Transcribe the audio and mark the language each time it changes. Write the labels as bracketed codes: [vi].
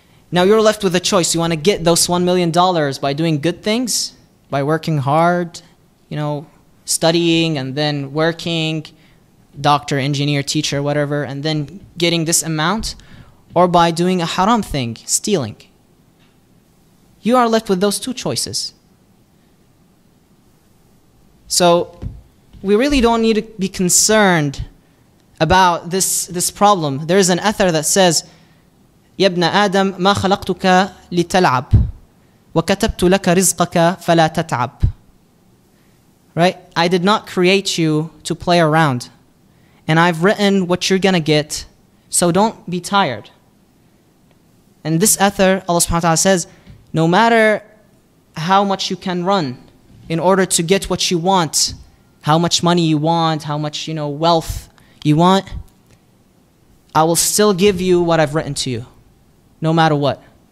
[en] Now you're left with a choice. You want to get those $1 million by doing good things, by working hard, you know, studying and then working, doctor, engineer, teacher, whatever, and then getting this amount, or by doing a haram thing, stealing. You are left with those two choices. So we really don't need to be concerned about this problem. There is an athar that says, [ar] يَبْنَ آدَمْ مَا خَلَقْتُكَ لِتَلْعَبْ وَكَتَبْتُ لَكَ رِزْقَكَ فَلَا تَتْعَبْ. [en] Right? I did not create you to play around. And I've written what you're going to get, so don't be tired. And this ether, Allah subhanahu wa ta'ala says, no matter how much you can run in order to get what you want, how much money you want, how much, you know, wealth you want, I will still give you what I've written to you, no matter what.